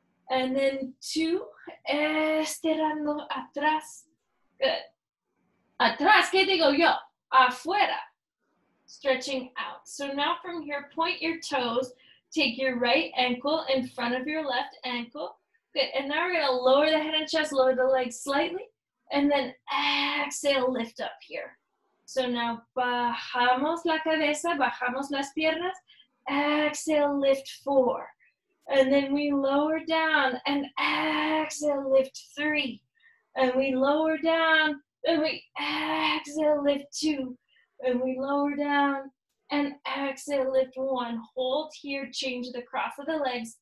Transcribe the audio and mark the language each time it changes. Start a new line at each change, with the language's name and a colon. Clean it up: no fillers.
English: And then two.
Spanish: Estirando atrás.
English: Good.
Spanish: Atrás. ¿Qué digo yo? Afuera.
English: Stretching out. So now from here, point your toes. Take your right ankle in front of your left ankle. Good. And now we're going to lower the head and chest, lower the legs slightly. And then exhale, lift up here. So now
Spanish: bajamos la cabeza, bajamos las piernas.
English: Exhale, lift four. And then we lower down and exhale, lift three. And we lower down and we exhale, lift two. And we lower down and exhale, lift one. Hold here, change the cross of the legs.